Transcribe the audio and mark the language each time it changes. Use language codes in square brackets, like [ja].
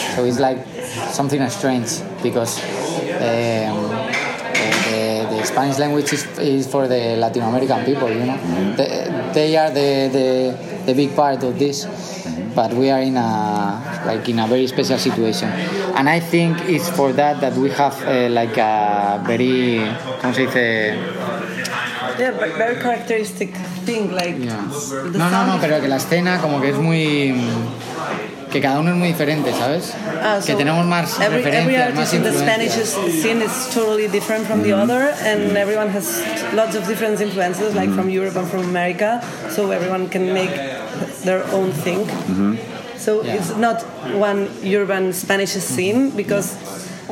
[en] So it's like something strange because the Spanish language is for the Latin American people, you know? Mm-hmm. They are the big part of this. But we are in a very special situation, and I think it's for that we have like a very, how do you say, very characteristic thing, like yeah. [es] No, pero que la escena como que es muy, que cada uno es muy diferente, ¿sabes? Ah, que so tenemos más referencias, más [en] Every artist in the Spanish scene is totally different from mm-hmm. the other, and mm-hmm. everyone has lots of different influences, like mm-hmm. from Europe and from America, so everyone can make their own thing. Mm-hmm. So yeah. It's not one urban Spanish scene, because yeah.